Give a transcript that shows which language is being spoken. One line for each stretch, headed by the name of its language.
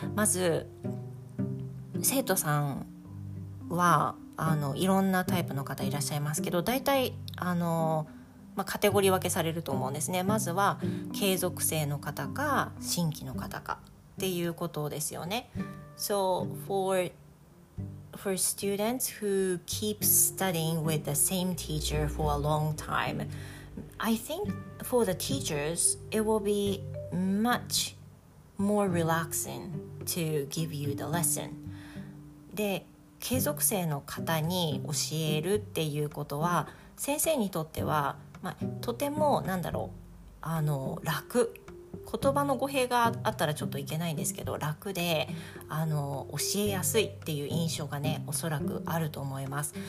Japanese: まず生徒さんはいろんなタイプの方いらっしゃいますけど、大体まあ、カテゴリー分けされると思うんですね。まずは継続性の方か新規の方かっていうことですよね。
English: So for students who keep studying with the same teacher for a long time, I think for the teachers, it will be much more relaxing to give you the lesson.
Japanese: で、継続性の方に教えるっていうことは、先生にとっては、まあ、とてもなんだろう、楽。言葉の語弊があったらちょっといけないんですけど、楽で教えやすいっていう印象がね、おそらくあると思います。